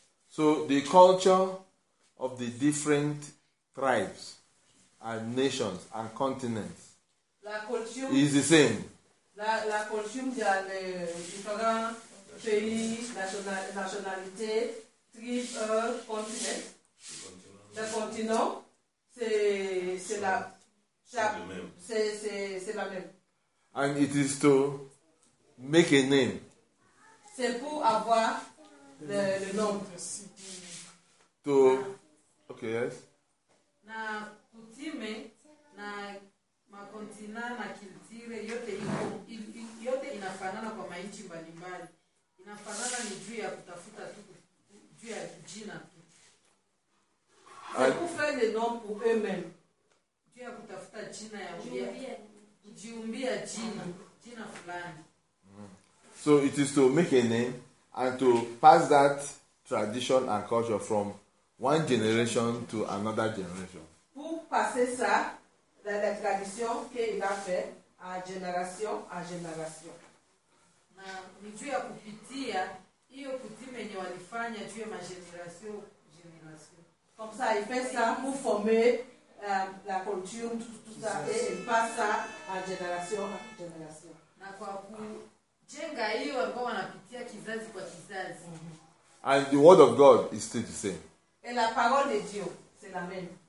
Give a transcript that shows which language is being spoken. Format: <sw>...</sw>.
<en>So the culture of the different tribes and nations and continents is the same.</en> <fr>La culture de différents pays, nationalités, tribes, continents. Le continent, c'est la même.</fr> <en>And it is to make a name.</en> <fr>C'est pour avoir le nom.</fr> <en>To, okay, yes.</en> <sw>Na kutime na makontina na kiltire yote yote inafanana kwa maichi mbalimbali. Inafanana ni juu ya kutafuta tu juu ya jina.</sw> <fr>C'est pour faire des noms pour eux-mêmes.</fr> <sw>Juu ya kutafuta jina ya kujiumbia jina fulani.</sw> <en>So it is to make a name and to pass that tradition and culture from one generation to another generation.</en> <fr>Pour passer ça, la tradition qu'il a fait à génération à génération.</fr> <sw>Na ni juu ya kupitia hiyo kutime yenye walifanya juu ya generation generation.</sw> <fr>Comme ça, il fait ça pour former la culture tout ça et il passe ça à génération à génération.</fr> <sw>Na kwa kujenga hiyo ambao wanapitia kizazi kwa kizazi.</sw> <en>And the word of God is still the same.</en> <fr>Et la parole de Dieu, c'est la même.</fr>